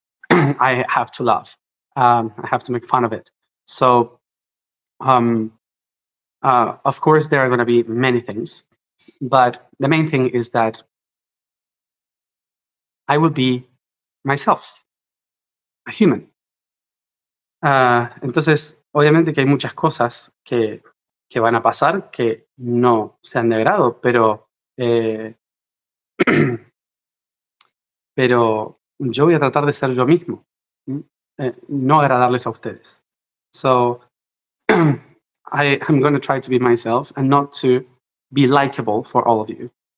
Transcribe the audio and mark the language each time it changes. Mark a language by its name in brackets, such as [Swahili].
[English] I have to laugh. I have to make fun of it. So, of course, there are going to be many things. But the main thing is that I would be myself, a human. [Spanish] Entonces, obviamente que hay muchas cosas que van a pasar que no se han negado, pero, pero yo voy a tratar de ser yo mismo, no agradarles a ustedes. [English] So, I'm going to try to be myself and not to be likable for all of you.